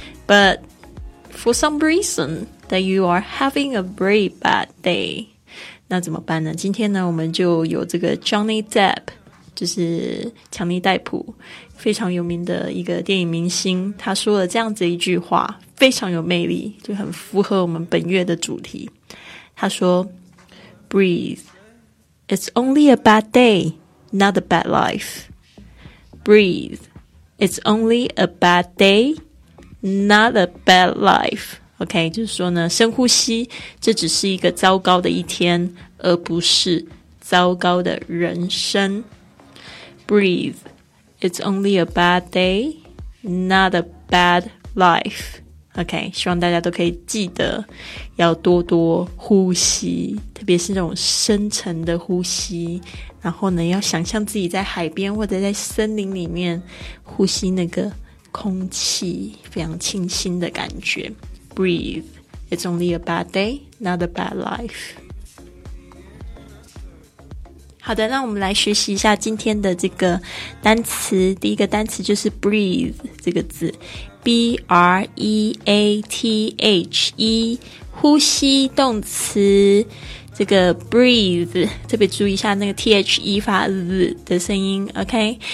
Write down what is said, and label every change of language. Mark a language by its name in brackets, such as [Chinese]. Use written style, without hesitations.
[English] But for some reason that you are having a very bad day. [Chinese] 那怎么办呢？今天呢，我们就有这个 Johnny Depp， 就是强尼戴普，非常有名的一个电影明星，他说了这样子一句话，非常有魅力，就很符合我们本月的主题。他说 Breathe. [English] It's only a bad day, not a bad life. Breathe. It's only a bad day, not a bad life. [Chinese] OK, 就是说呢，深呼吸，这只是一个糟糕的一天，而不是糟糕的人生。 [English] Breathe. It's only a bad day, not a bad life. [Chinese] OK, 希望大家都可以记得要多多呼吸，特别是那种深层的呼吸，然后呢要想象自己在海边或者在森林里面呼吸那个空气，非常清新的感觉。 [English] Breathe. It's only a bad day, not a bad life. [Chinese] 好的，那我们来学习一下今天的这个单词。第一个单词就是 breathe 这个字，B-R-E-A-T-H-E, 呼吸动词，这个 breathe, 特别注意一下那个 T-H-E 发 Z 的声音， OK?